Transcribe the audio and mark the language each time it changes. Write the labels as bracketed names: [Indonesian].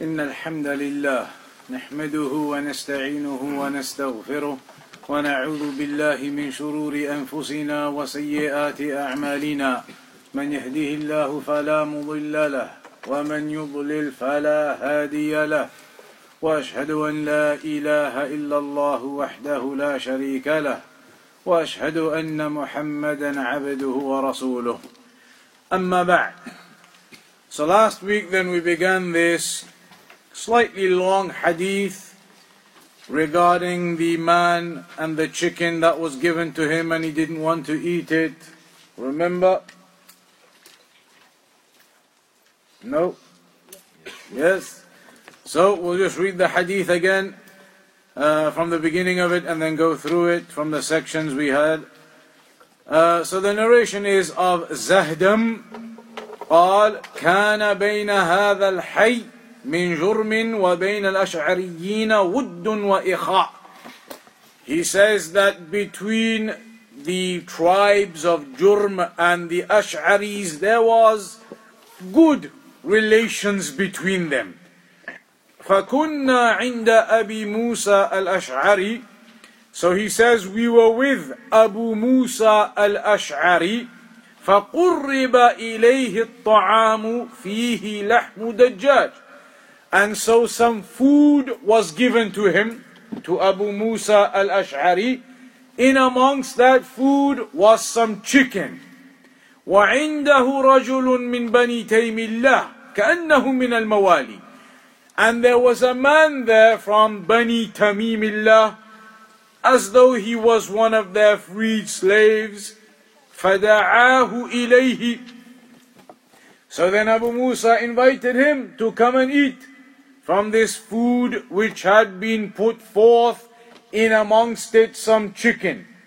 [Arabic] إن الحمد لله نحمده ونستعينه ونستغفره ونعوذ بالله من شرور أنفسنا وسيئات أعمالنا من يهده الله فلا مضل له ومن يضلل فلا هادي له وأشهد أن لا إله إلا الله وحده لا شريك له وأشهد أن محمدا عبده ورسوله أما بعد. [English] So last week then we began this slightly long hadith regarding the man and the chicken that was given to him and he didn't want to eat it. Remember? No? Yes? So we'll just read the hadith again from the beginning of it and then go through it from the sections we had. So the narration is of Zahdam. [Arabic] قال كان بين هذا الحي من جرم وبين الأشعريين ود وإخاء. [English] He says that between the tribes of Jurm and the Ash'aris there was good relations between them. [Arabic] فكنا عند أبي موسى الأشعري. [English] So he says we were with Abu Musa al-Ash'ari. [Arabic] فقرب إليه الطعام فيه لحم دجاج. [English] And so some food was given to him, to Abu Musa al-Ash'ari. In amongst that food was some chicken. [Arabic] وعنده رجل من بني تيم الله كأنه من الموالي. [English] And there was a man there from Bani Tamim Allah, as though he was one of their freed slaves. [Arabic] فدعاه إليه. [English] So then Abu Musa invited him to come and eat from this food which had been put forth, in amongst it some chicken.